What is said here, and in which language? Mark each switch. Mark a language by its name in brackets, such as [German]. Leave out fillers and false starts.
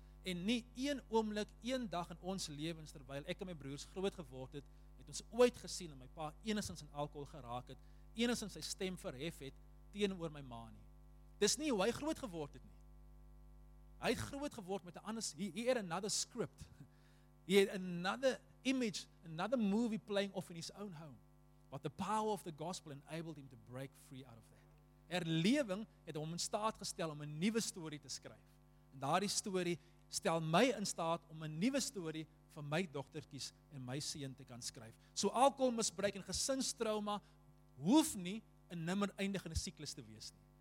[Afrikaans] En nie een oomblik, een dag in ons lewens terwyl ek en my broers groot geword het, het ons ooit gesien dat my pa enigsins in alkohol geraak het, enigsins sy stem verhef het teenoor my ma nie. Dis nie hoe hy groot geword het nie. Hy het groot geword met 'n ander, [English] he had another script. He had another image, another movie playing off in his own home. But the power of the gospel enabled him to break free out of that. [Afrikaans] Erlewing het hom in staat gestel om 'n nuwe storie te skryf. En daardie storie stel my in staat om 'n nuwe storie vir my dogtertjies en my seun te kan skryf. So alkoholmisbruik en gesinstrauma hoef nie 'n nimmer eindigende siklus te wees nie.